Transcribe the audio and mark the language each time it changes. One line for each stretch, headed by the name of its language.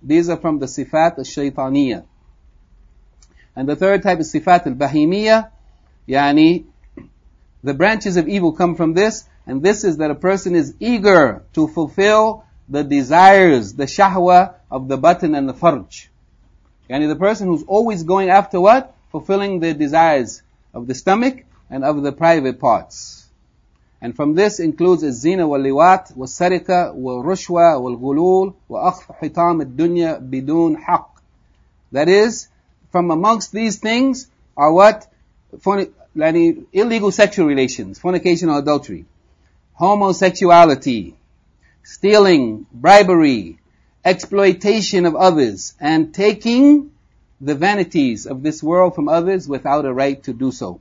English: These are from the sifat al-shaytaniyya. And the third type is sifat al-bahimiyya, yani, the branches of evil come from this, and this is that a person is eager to fulfill the desires, the shahwa of the batn and the farj. Yani, the person who's always going after what? Fulfilling their desires. Of the stomach and of the private parts. And from this includes
Arabic: الزينة والليوات والسرقة والرشوة والغلول وأخف حطام الدنيا بدون حق.
English: That is, from amongst these things are what? Illegal sexual relations, fornication or adultery, homosexuality, stealing, bribery, exploitation of others, and taking the vanities of this world from others without a right to do so.